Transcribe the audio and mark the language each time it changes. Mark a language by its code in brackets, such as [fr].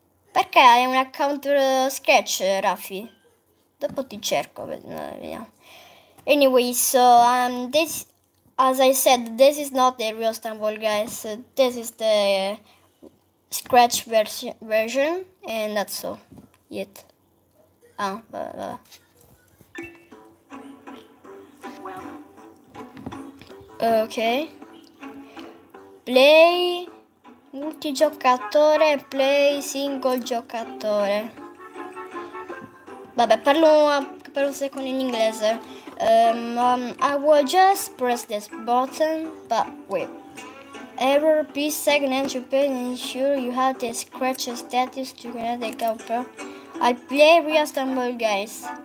[it] Perché hai un account Scratch, Raffi? Dopo ti cerco, vediamo. [en] Anyway, so, this, as I said, this is not the real Stumble Guys. This is the Scratch version, and that's all. [it] Yet. Ah, vabbè. [en] Ok. Play. [it] Multigiocatore, play single giocatore. Vabbè, parlo per un secondo in inglese. [en] I will just press this button, but wait. Error, please segment your page and ensure you have the Scratch status to connect the GoPro. I play real Stumble Guys.